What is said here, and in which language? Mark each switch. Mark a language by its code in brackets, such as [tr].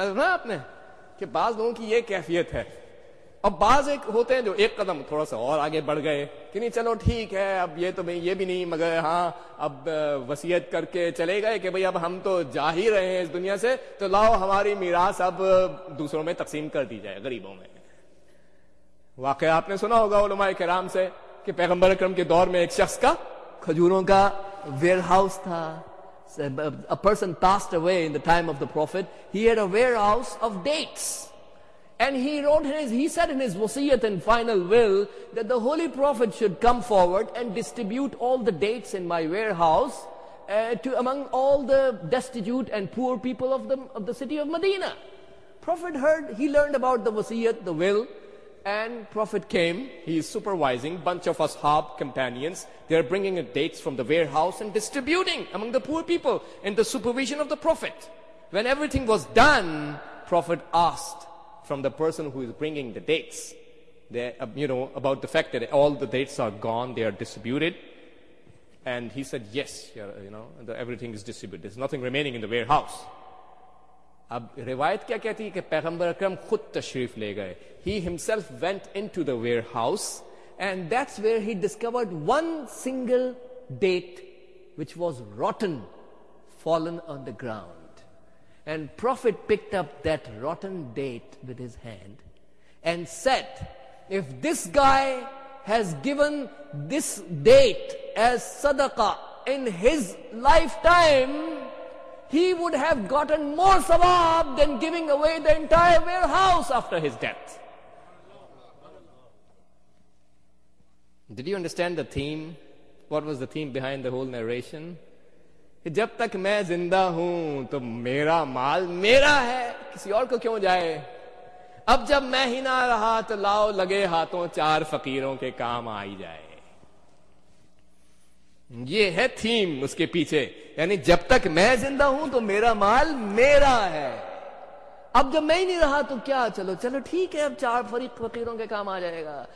[ur] آپ نے کہ بعض لوگوں کی یہ کیفیت ہے. اب بعض ایک ہوتے ہیں جو ایک قدم تھوڑا سا اور آگے بڑھ گئے کہ نہیں چلو ٹھیک ہے اب یہ تو یہ بھی نہیں, مگر ہاں اب وصیت کر کے چلے گئے کہ بھئی اب ہم تو جا ہی رہے ہیں اس دنیا سے, تو لاؤ ہماری میراث اب دوسروں میں تقسیم کر دی جائے غریبوں میں. واقعہ آپ نے سنا ہوگا علماء کرام سے کہ پیغمبر اکرم کے دور میں ایک شخص کا کھجوروں کا ویئر ہاؤس تھا. [en] A person passed away in the time of the Prophet. He had a warehouse of dates. And he said in his wasiyat and final will that the Holy Prophet should come forward and distribute all the dates in my warehouse to among all the destitute and poor people of the city of Medina. Prophet heard, he learned about the wasiyat, the will, and Prophet came. He is supervising bunch of ashab companions. They are bringing dates from the warehouse and distributing among the poor people in the supervision of the Prophet. When everything was done, Prophet asked from the person who is bringing the dates, about the fact that all the dates are gone, they are distributed. And he said, yes, everything is distributed. There's nothing remaining in the warehouse. [ur] اب روایت کیا کہتی ہے کہ پیغمبر اکرم خود تشریف لے گئے. [en] He himself went into the warehouse and that's where he discovered one single date which was rotten, fallen on the ground. And Prophet picked up that rotten date with his hand and said, if this guy has given this date as sadaqah in his lifetime, he would have gotten more sawab than giving away the entire warehouse after his death. Did you understand the theme? What was the theme behind the whole narration? [ur] جب تک میں زندہ ہوں تو میرا مال میرا ہے, کسی اور کو کیوں جائے؟ اب جب میں ہی نہ رہا تو لاؤ لگے ہاتھوں چار فقیروں کے کام آئی جائے. یہ ہے تھیم اس کے پیچھے, یعنی جب تک میں زندہ ہوں تو میرا مال میرا ہے, اب جب میں ہی نہیں رہا تو کیا, چلو ٹھیک ہے اب چار فقیروں کے کام آ جائے گا.